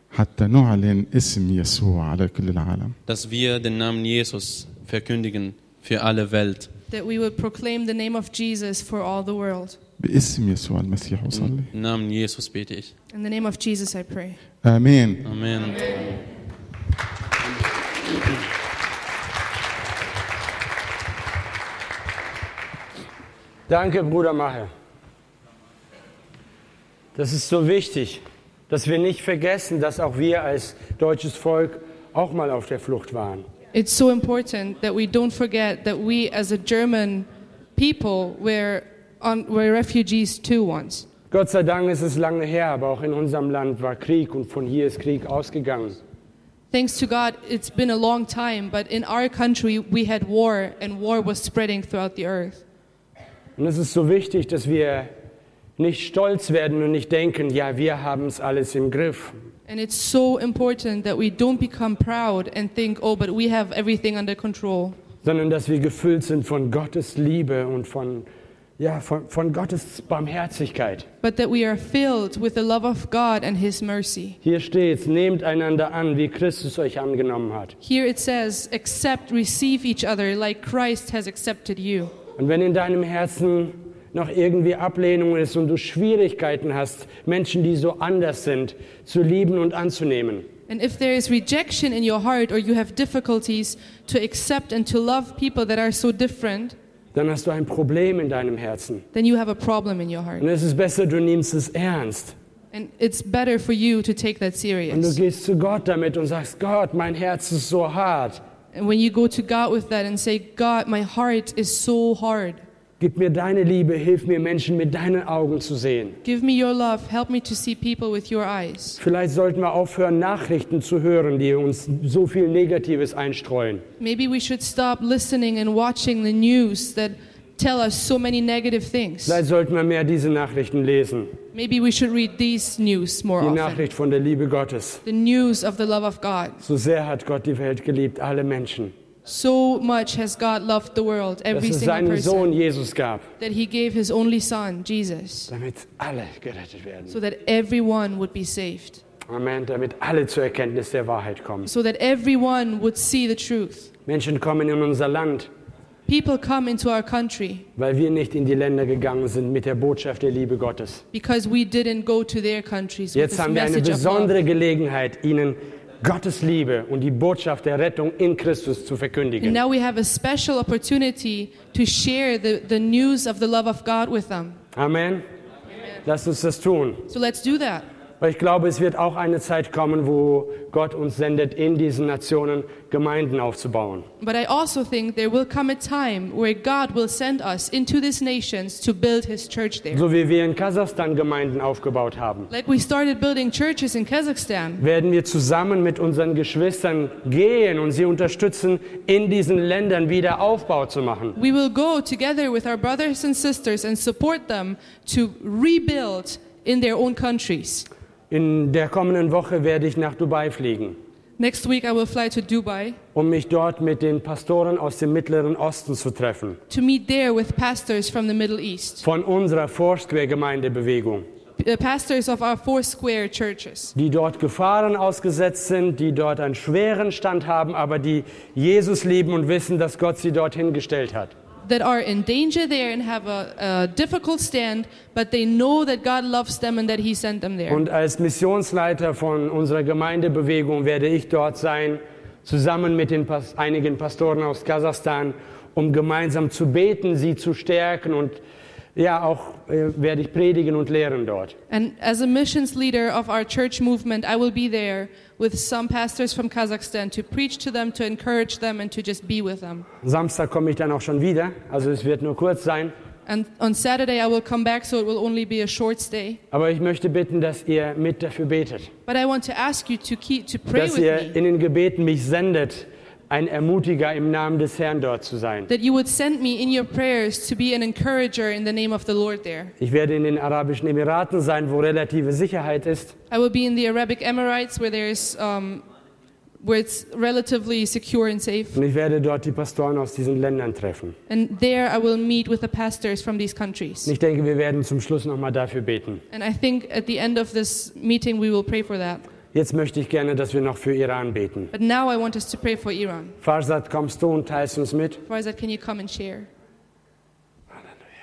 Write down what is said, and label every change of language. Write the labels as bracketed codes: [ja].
[ar] حتى نعلن اسم يسوع على كل العالم. [de] Dass wir den Namen Jesus verkündigen für alle Welt. [en] That we would proclaim the name of Jesus for all the world. [ar] باسم يسوع المسيح أصلي. [en] In the name of Jesus [de] bete ich. [en] In the name of Jesus I pray. [ar] آمين. آمين. [de] Danke, Bruder Maher. Das ist so wichtig, dass wir nicht vergessen, dass auch wir als deutsches Volk auch mal auf der Flucht waren. [en] It's so important that we don't forget that we as a German people were refugees too once. [de] Gott sei Dank ist es lange her, aber auch in unserem Land war Krieg und von hier ist Krieg ausgegangen. [en] Thanks to God, it's been a long time, but in our country we had war and war was spreading throughout the earth. [de] Und es ist so wichtig, dass wir nicht stolz werden und nicht denken, ja, wir haben es alles im Griff. [en] And it's so important that we don't become proud and think, oh, but we have everything under control. [de] Sondern dass wir gefüllt sind von Gottes Liebe und von Gottes Barmherzigkeit. [en] But that we are filled with the love of God and His mercy. [de] Hier steht, nehmt einander an, wie Christus euch angenommen hat. [en] Here it says, accept, receive each other like Christ has accepted you. [de] Und wenn in deinem Herzen noch irgendwie Ablehnung ist und du Schwierigkeiten hast, Menschen, die so anders sind, zu lieben und anzunehmen. [en] And if there is rejection in your heart or you have difficulties to accept and to love people that are so different, [de] dann hast du ein Problem in deinem Herzen. [en] Then you have a problem in your heart. [de] Und es ist besser, du nimmst es ernst. [en] And it's better for you to take that serious. [de] Und du gehst zu Gott damit und sagst, Gott, mein Herz ist so hart. [en] And when you go to God with that and say, God, my heart is so hard. [de] Gib mir deine Liebe, hilf mir, Menschen mit deinen Augen zu sehen. [en] Give me your love, help me to see people with your eyes. [de] Vielleicht sollten wir aufhören, Nachrichten zu hören, die uns so viel Negatives einstreuen. [en] Maybe we should stop listening and watching the news that tell us so many negative things. [de] Vielleicht sollten wir mehr diese Nachrichten lesen. [en] Maybe we should read these news more often. [de] Die Nachricht [en] often. [de] Von der Liebe Gottes. [en] The news of the love of God. [de] So sehr hat Gott die Welt geliebt, alle Menschen. [en] So much has God loved the world, every [de] dass es [en] single [de] seinen [en] person, [de] Sohn Jesus gab, [en] that he gave his only son, Jesus, [de] damit alle gerettet werden. [en] So that everyone would be saved. [de] Amen, damit alle zur Erkenntnis der Wahrheit kommen. [en] So that everyone would see the truth. [de] Menschen kommen in unser Land, [en] people come into our country, [de] weil wir nicht in die Länder gegangen sind mit der Botschaft der Liebe Gottes. [en] Because we didn't go to their countries [de] jetzt [en] with [de] haben wir eine besondere Gelegenheit, ihnen Gottes Liebe und die Botschaft der Rettung in Christus zu verkündigen. [en] And now we have a special opportunity to share the news of the love of God with them. [de] Amen. Lasst uns das tun. [en] So let's do that. [de] Weil ich glaube, es wird auch eine Zeit kommen, wo Gott uns sendet, in diesen Nationen Gemeinden aufzubauen. [en] But I also think there will come a time where God will send us into these nations to build his church there. [de] So wie wir in Kasachstan Gemeinden aufgebaut haben. [en] Like we started building churches in Kazakhstan. [de] Werden wir zusammen mit unseren Geschwistern gehen und sie unterstützen, in diesen Ländern wieder Aufbau zu machen. [en] We will go together with our brothers and sisters and support them to rebuild in their own countries. [de] In der kommenden Woche werde ich nach Dubai fliegen. [en] Next week I will fly to Dubai, [de] um mich dort mit den Pastoren aus dem Mittleren Osten zu treffen. [en] To meet there with pastors from the Middle East. [de] Von unserer Foursquare-Gemeindebewegung. [en] Pastors of our Foursquare churches. [de] Die dort Gefahren ausgesetzt sind, die dort einen schweren Stand haben, aber die Jesus lieben und wissen, dass Gott sie dort hingestellt hat. [en] That are in danger there and have a difficult stand, but they know that God loves them and that He sent them there. [de] Und als Missionsleiter von unserer Gemeindebewegung werde ich dort sein, zusammen mit den einigen Pastoren aus Kasachstan, um gemeinsam zu beten, sie zu stärken und ja, auch werde ich predigen und lehren dort. [en] And as a missions leader of our church movement, I will be there with some pastors from Kazakhstan to preach to them, to encourage them and to just be with them. [de] Samstag komme ich dann auch schon wieder, also es wird nur kurz sein. [en] And on Saturday I will come back, so it will only be a short stay. [de] Aber ich möchte bitten, dass ihr mit dafür betet. [en] But I want to ask you to pray with me. [de] Dass ihr in den Gebeten mich sendet, ein Ermutiger im Namen des Herrn dort zu sein. [en] That you would send me in your prayers to be an encourager in the name of the Lord there. [de] Ich werde in den Arabischen Emiraten sein, wo relative Sicherheit ist. [en] I will be in the Arabic Emirates where there is where it's relatively secure and safe. [de] Und ich werde dort die Pastoren aus diesen Ländern treffen. [en] And there I will meet with the pastors from these countries. [de] Und ich denke, wir werden zum Schluss noch mal dafür beten. [en] And I think at the end of this meeting we will pray for that. [de] Jetzt möchte ich gerne, dass wir noch für Iran beten. [en] But now I want us to pray for Iran. [de] Farzad, kommst du und teilst uns mit? [en] Farzad, can you come and share? [de] Halleluja.